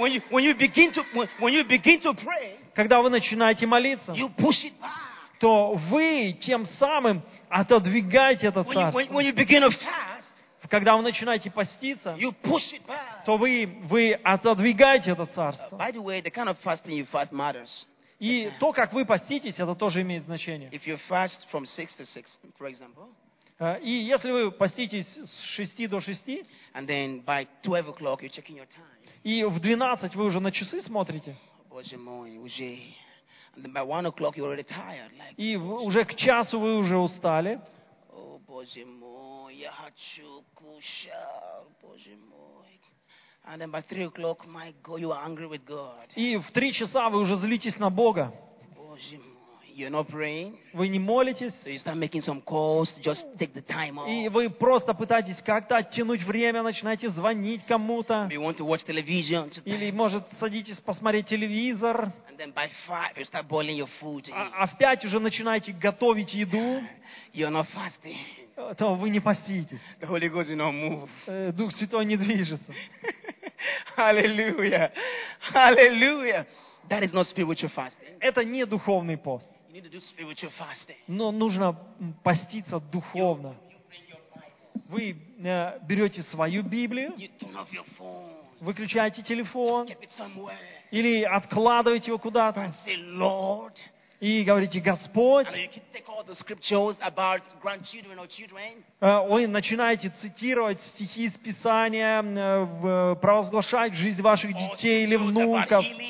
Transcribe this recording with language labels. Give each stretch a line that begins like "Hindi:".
English: When you begin to pray,
Russian: когда вы начинаете молиться,
English: you push it back.
Russian: То вы тем самым отодвигаете это царство.
English: When you begin to fast,
Russian: когда вы начинаете поститься, то вы отодвигаете это царство.
English: By the way, the kind of fasting you fast matters.
Russian: И то, как вы поститесь, это тоже имеет значение.
English: If you fast from 6 to 6, for example,
Russian: и если вы поститесь с 6 до 6,
English: and then by 12 o'clock you're checking your time.
Russian: И в 12 вы уже на часы смотрите. Боже мой, уже...
English: And then by 1 o'clock you're already tired. Like,
Russian: и уже к часу вы уже устали. О, Боже мой, я хочу кушать, Боже мой.
English: And then by 3 o'clock, my God, you are angry with God.
Russian: И в 3 часа вы уже злитесь на Бога. Боже мой.
English: You're not praying.
Russian: Вы не молитесь.
English: So you start making some calls, just take the time off.
Russian: И вы просто пытаетесь как-то оттянуть время, начинаете звонить кому-то.
English: You want to watch television.
Russian: Или, может, садитесь посмотреть телевизор.
English: And then by 5, you start boiling your food.
Russian: А в 5 уже начинаете готовить еду.
English: You're not fasting.
Russian: То вы не поститесь.
English: The Holy Ghost will not move.
Russian: Дух Святой не движется.
English: Hallelujah. Hallelujah. That is not spiritual fasting.
Russian: Это не духовный пост.
English: You need to do spiritual fasting.
Russian: Но нужно поститься духовно. Вы берете свою Библию,
English: you turn off your phone.
Russian: Выключаете телефон,
English: just keep it somewhere.
Russian: Или откладываете его куда-то.
English: And say, Lord,
Russian: и говорите, Господь,
English: you can take all the scriptures about grandchildren or children.
Russian: Вы начинаете цитировать стихи из Писания, провозглашать жизнь ваших детей или внуков.